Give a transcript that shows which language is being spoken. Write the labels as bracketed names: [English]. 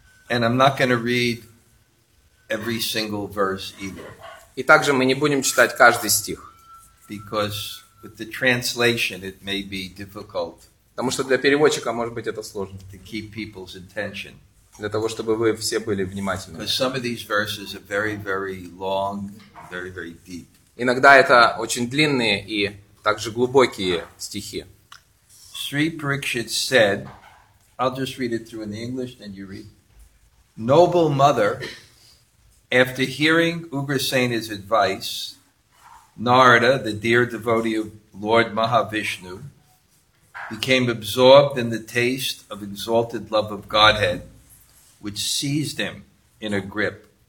[English] And I'm not going to read every single verse either. [Russian] И также мы не будем читать каждый стих. [English] Because with the translation, it may be difficult. [Russian] Потому что для переводчика может быть это сложно. [English] To keep people's attention. [Russian] Для того, чтобы вы все были внимательны. [English] Because some of these verses are very, very long, very, very deep. [Russian] Иногда это очень длинные и также глубокие стихи. [English] Sri Parikshit said, I'll just read it through in English, then you read. Noble mother, after hearing Ugrasena's advice, Narada, the dear devotee of Lord Mahavishnu, became absorbed in the taste of exalted love of Godhead, which seized him in a grip.